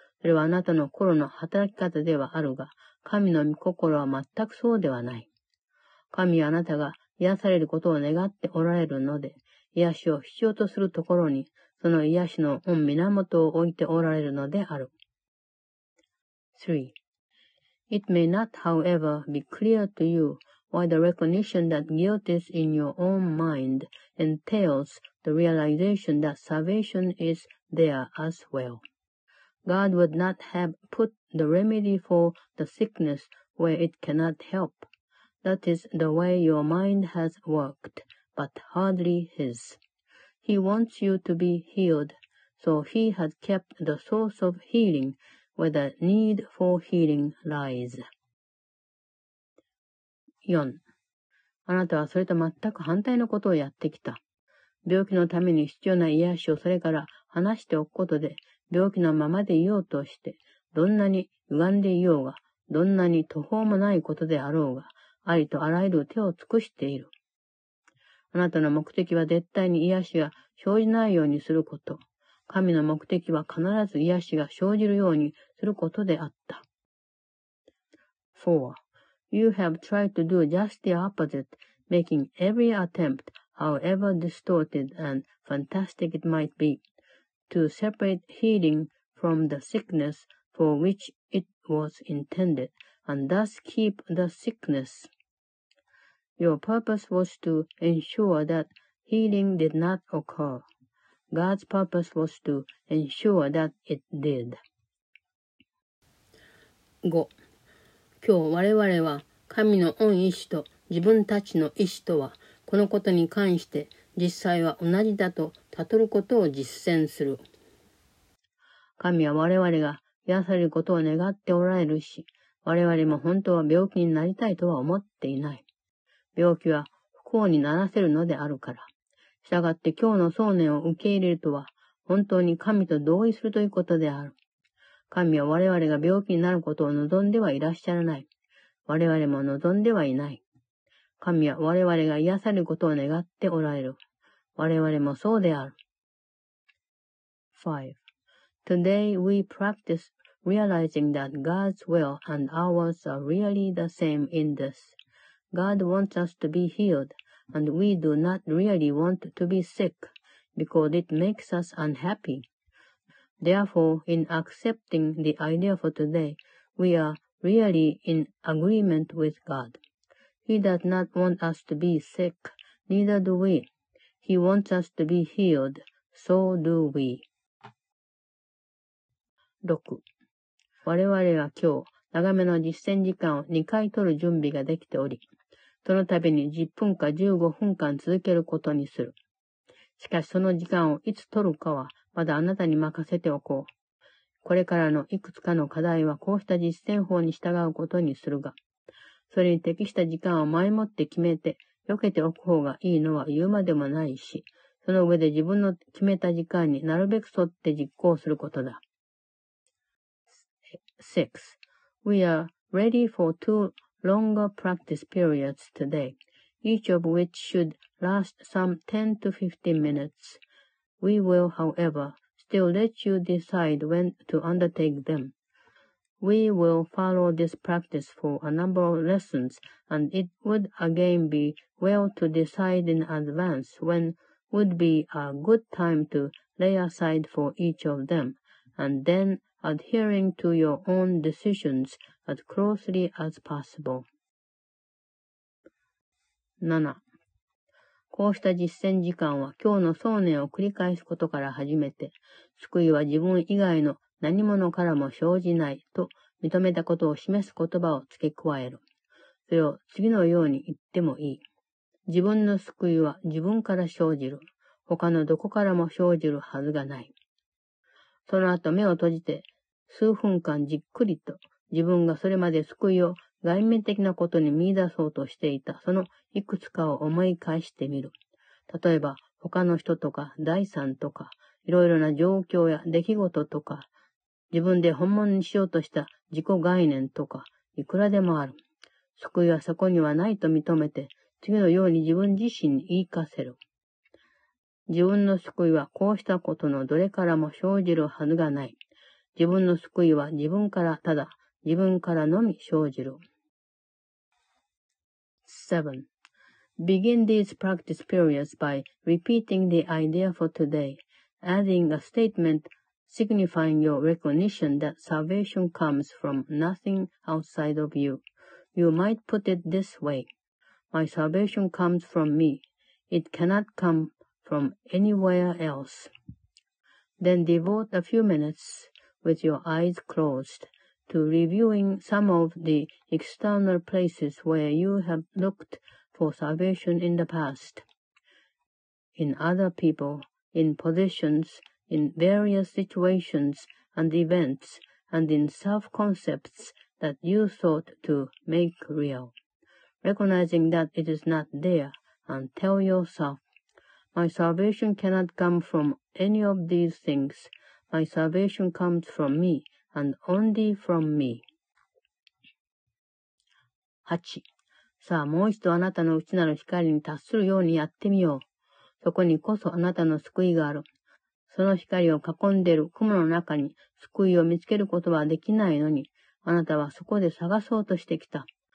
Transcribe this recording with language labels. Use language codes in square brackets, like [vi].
[ja] それはあなたの心の働き方ではあるが、神の御心は全くそうではない。神はあなたが癒されることを願っておられるので、癒しを必要とするところに、その癒しの御源を置いておられるのである。 [en] 3. It may not, however, be clear to you why the recognition that guilt is in your own mind entails the realization that salvation is there as well. God would not have put the remedy for the sickness where it cannot help. That is the way your mind has worked, but hardly His. He wants you to be healed, so He has kept the source of healing. Where the need for healing lies. [ja] 4. あなたはそれと全く反対のことをやってきた。病気のために必要な癒しをそれから離しておくことで、病気のままでいようとして、どんなに歪んでいようが、どんなに途方もないことであろうが、ありとあらゆる手を尽くしている。あなたの目的は絶対に癒しが生じないようにすること。神の目的は必ず癒しが生じるようにすることであった。 [en] 4. You have tried to do just the opposite, making every attempt, however distorted and fantastic it might be, to separate healing from the sickness for which it was intended, and thus keep the sickness. Your purpose was to ensure that healing did not occur. God's purpose was to ensure that it did. [ja] 5. 今日我々は神の御意志と自分たちの意志とはこのことに関して実際は同じだと悟ることを実践する。神は我々が癒されることを願っておられるし、我々も本当は病気になりたいとは思っていない。病気は不幸にならせるのであるから。したがって今日の想念を受け入れるとは、本当に神と同意するということである。神は我々が病気になることを望んではいらっしゃらない。我々も望んではいない。神は我々が癒されることを願っておられる。我々もそうである。 [en] 5. Today we practice realizing that God's will and ours are really the same in this. God wants us to be healed. And we do not really want to be sick, because it makes us unhappy. Therefore, in accepting the idea for today, we are really in agreement with God. He does not want us to be sick, neither do we. He wants us to be healed, so do we. [ja] 6. 我々は今日、長めの実践時間を2回取る準備ができており、その度に10分か15分間続けることにする。しかしその時間をいつ取るかはまだあなたに任せておこう。これからのいくつかの課題はこうした実践法に従うことにするが、それに適した時間を前もって決めて避けておく方がいいのは言うまでもないし、その上で自分の決めた時間になるべく沿って実行することだ。 [en] 6. We are ready for two longer practice periods today. each of which should last some 10 to 15 minutes. We will, however, still let you decide when to undertake them. We will follow this practice for a number of lessons, and it would again be well to decide in advance when would be a good time to lay aside for each of them, and then adhering to your own decisions as closely as possible. [ja] 7. こうした実践時間は今日の想念を繰り返すことから始めて、救いは自分以外の何者からも生じないと認めたことを示す言葉を付け加える。それを次のように言ってもいい。自分の救いは自分から生じる。他のどこからも生じるはずがない。その後目を閉じて数分間じっくりと自分がそれまで救いを外面的なことに見出そうとしていたそのいくつかを思い返してみる。例えば他の人とか財産とかいろいろな状況や出来事とか自分で本物にしようとした自己概念とかいくらでもある。救いはそこにはないと認めて次のように自分自身に言い聞かせる。自分の救いはこうしたことのどれからも生じるはずがない。自分の救いは自分からただ自分からのみ生じる。 [en] 7. Begin these practice periods by repeating the idea for today, adding a statement signifying your recognition that salvation comes from nothing outside of you. You might put it this way. My salvation comes from me. It cannot come from anywhere else. Then devote a few minutes with your eyes closed. To reviewing some of the external places where you have looked for salvation in the past, in other people, in positions, in various situations and events, and in self-concepts that you sought to make real. Recognizing that it is not there, and tell yourself, My salvation cannot come from any of these things. My salvation comes from me. And only from me. [ja] 8. さあ、もう一度あなたの内なる光に達するようにやってみよう。そこにこそあなたの救いがある。その光を囲んでいる雲の中に救いを見つけることはできないのに、あなたはそこで探そうとしてきた。